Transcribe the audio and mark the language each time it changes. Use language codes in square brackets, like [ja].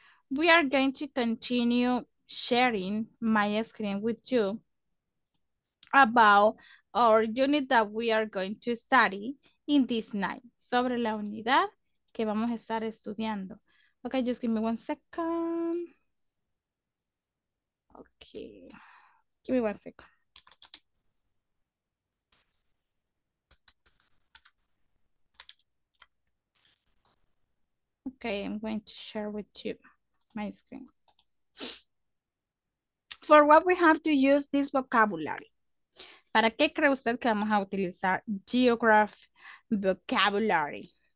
[en] We are going to continue sharing my screen with you about our unit that we are going to study in this night. [es] Sobre la unidad que vamos a estar estudiando. [en] Okay, just give me one second. Okay, give me one second. Okay, I'm going to share with you my screen. For what we have to use this vocabulary. [es] ¿Para qué cree usted que vamos a utilizar [en] geography vocabulary?